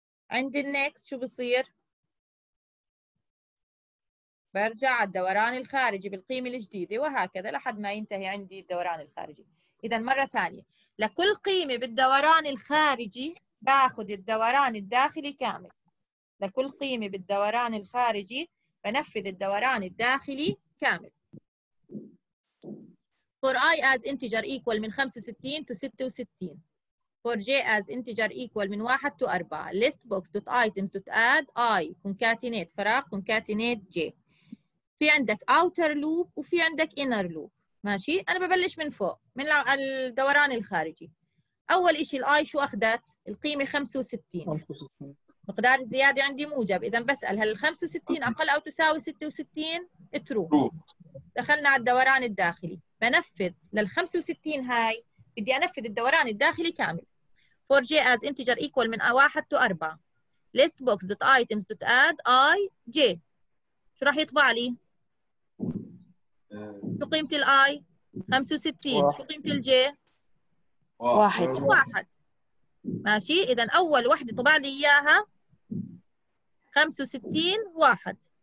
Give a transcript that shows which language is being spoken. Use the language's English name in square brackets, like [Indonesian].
[Arabic] عند النيكست شو بصير؟ برجع على الدوران الخارجي بالقيمة الجديدة وهكذا لحد ما ينتهي عندي الدوران الخارجي. إذا مرة ثانية، لكل قيمة بالدوران الخارجي بأخذ الدوران الداخلي كامل، لكل قيمة بالدوران الخارجي بنفذ الدوران الداخلي كامل. [English] For i as integer equal من 65 to 66. For j as integer equal من 1 to 4. List box dot item dot add i concatenate فراغ concatenate j. [Arabic] في عندك outer loop وفي عندك inner loop. ماشي؟ أنا ببلش من فوق من الدوران الخارجي. أول إشي الاي شو أخذت؟ القيمة 65. 65. مقدار الزيادة عندي موجب، إذا بسأل هل 65 أقل أو تساوي 66؟ ترو. دخلنا على الدوران الداخلي، بنفذ لل 65 هاي، بدي أنفذ الدوران الداخلي كامل. [English] For j as integer equal من 1 to 4. List box dot items dot add i j. [Arabic] شو راح يطبع لي؟ شو قيمة الـ i؟ 65. شو قيمة الـ j؟ 1. 1. ماشي؟ إذا أول وحدة طبع لي إياها 65 1.